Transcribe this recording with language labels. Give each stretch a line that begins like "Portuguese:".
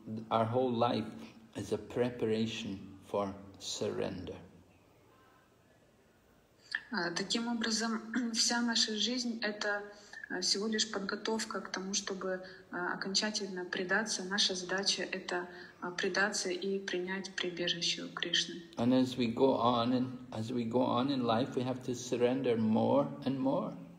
English: Our whole life is a preparation for surrender.
Russian: Таким образом, вся наша жизнь — это всего лишь подготовка к тому, чтобы окончательно предаться. Наша задача — это предаться и принять прибежище у Кришны.
English: And as we go on, and as we go on in life, we have to surrender more and more.